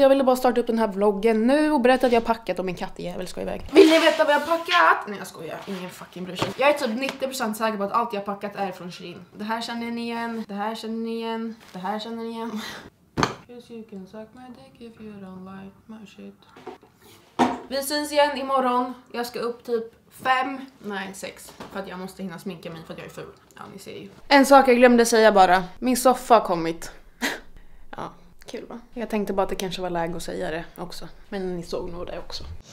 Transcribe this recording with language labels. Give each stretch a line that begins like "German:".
Swedish: Jag ville bara starta upp den här vloggen nu och berätta att jag packat och min katt igen. Vill ni veta vad jag packat? Nej, jag skojar. Ingen fucking bryr sig. Jag är typ 90% säker på att allt jag packat är från Shein. Det här känner ni igen. Det här känner ni igen. Det här känner ni igen.
English: Because you can suck my dick if you don't like my shit.
Swedish: Vi syns igen imorgon. Jag ska upp typ 5, nej 6. För att jag måste hinna sminka mig för att jag är ful. Ja, ni ser ju. En sak jag glömde säga bara. Min soffa har kommit. Ja, kul va? Jag tänkte bara att det kanske var läge att säga det också. Men ni såg nog det också.